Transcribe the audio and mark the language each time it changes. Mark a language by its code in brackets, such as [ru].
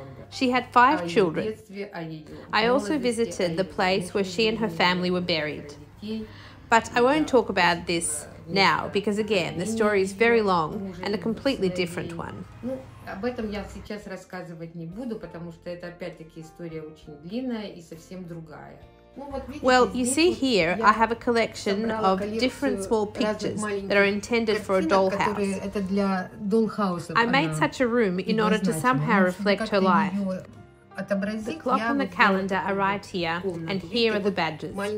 [en] She had five children. I also visited the place where she and her family were buried. But I won't talk about this now because, again, the story is very long and a completely different one. [ru] Об этом я сейчас рассказывать не буду, потому что это опять-таки история очень длинная и совсем другая. [en] Well, you see here, I have a collection of different small pictures that are intended for a dollhouse. I made such a room in order to somehow reflect her life. The clock and the calendar are right here, and here are the badges.